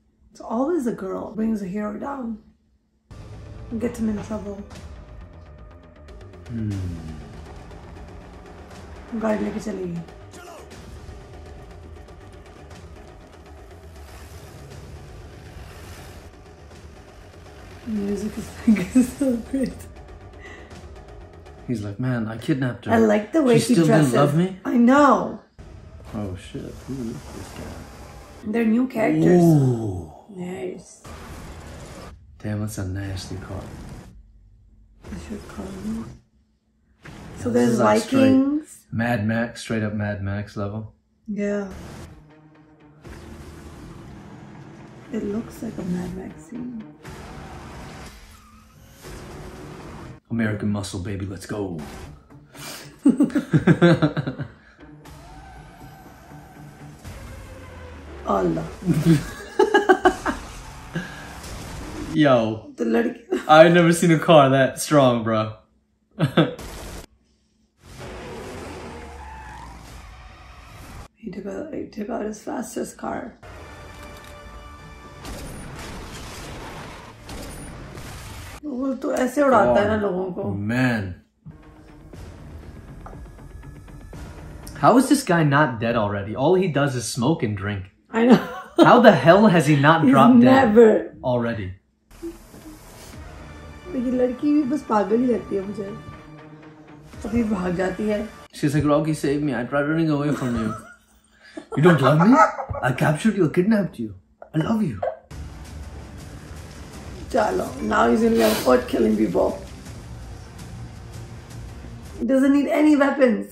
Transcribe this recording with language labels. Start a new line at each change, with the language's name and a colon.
English: It's always a girl brings a hero down. Gets him in trouble.
Hindi: गाड़ी लेके चली गई
English: Music is so great He's like, man, I kidnapped her. I like the way she still dresses. Didn't love me. I know. Oh shit, who is this guy? They're new characters. Ooh. Nice. Damn, that's a nasty car. This should call me. So there's Vikings. Mad Max, straight up Mad Max level. Yeah. It looks like a Mad Max scene. American Muscle, baby, let's go. Allah. Yo. The lady. I've never seen a car that strong, bro. He took out his fastest car.
Hindi: वो तो ऐसे उड़ाता है ना लोगों को.
English: Man, how is this guy not dead already? All he does is smoke and drink. I know. How the hell has he not dropped dead? Never. Already.
Hindi: मेरी लड़की भी बस पागल ही लगती है मुझे. अभी भाग जाती है.
English: She's like, Rocky, save me! I tried running away from you. You don't love me? I captured you, I kidnapped you. I love you. Chalo, now he's gonna be on foot killing people. He doesn't need any weapons.